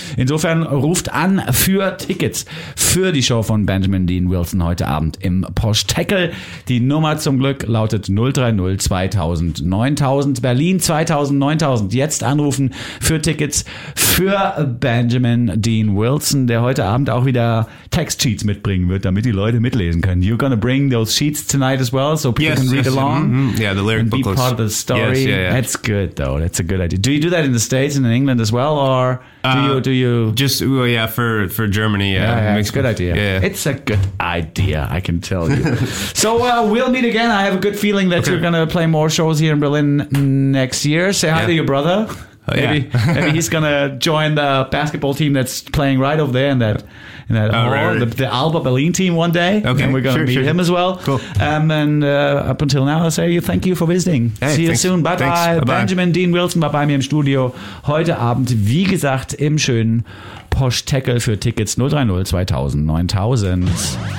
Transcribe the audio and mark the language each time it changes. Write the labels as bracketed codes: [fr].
[de] Insofern ruft an für Tickets für die Show von Benjamin Dean Wilson heute Abend im Prosteckel. Die Nummer zum Glück lautet 030 2000 9000. Berlin 2000 9000. Jetzt anrufen für Tickets für Benjamin Dean Wilson, der heute Abend auch wieder Textsheets mitbringen wird, damit die Leute mitlesen können. [en] You're going to bring those sheets tonight as well, so people can read along. Mm-hmm. Yeah, the lyric booklets. And be part of the story. Yes, yeah, yeah. That's good, though. That's a good idea. Do you do that in the States and in England as well, or do you? Just, well, yeah, for Germany, yeah. It's a good idea. Yeah. It's a good idea, I can tell you. So we'll meet again. I have a good feeling that you're going to play more shows here in Berlin next year. Say hi to your brother. Maybe he's going to join the basketball team that's playing right over there the Alba Berlin team one day. Okay, and we're going to meet him as well. Cool. Up until now, I say thank you for visiting. Hey, see you soon. Bye-bye. [de] Benjamin Dean Wilson war bei mir im Studio heute Abend, wie gesagt, im schönen Posteckel für Tickets 030 2000 9000.